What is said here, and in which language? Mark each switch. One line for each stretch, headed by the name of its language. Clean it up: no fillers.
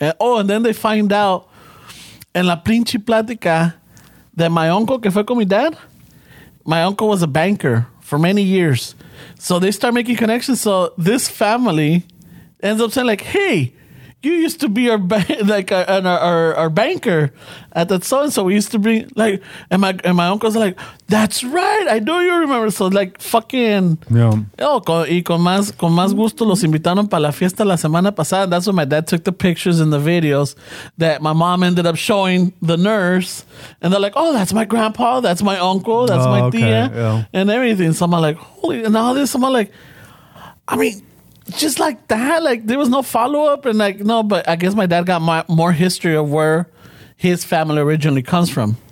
English: And then they find out,
Spanish: en la pinche plática de
English: my uncle
Spanish: que fue con mi dad,
English: my uncle was a banker for many years. So they start making connections. So this family ends up saying like, hey, you used to be our banker at that so-and-so. We used to be like, and my uncle's like, that's right. I know you remember. So like fucking. Yeah.
Spanish: Oh, con más gusto los invitaron para la fiesta la semana pasada.
English: That's when my dad took the pictures and the videos that my mom ended up showing the nurse. And they're like, oh, that's my grandpa. That's my uncle. That's my tía. Yeah. And everything. So I'm like, holy. And all this, I'm like, I mean, just like that, like there was no follow-up and like no, but I guess my dad got more history of where his family originally comes from.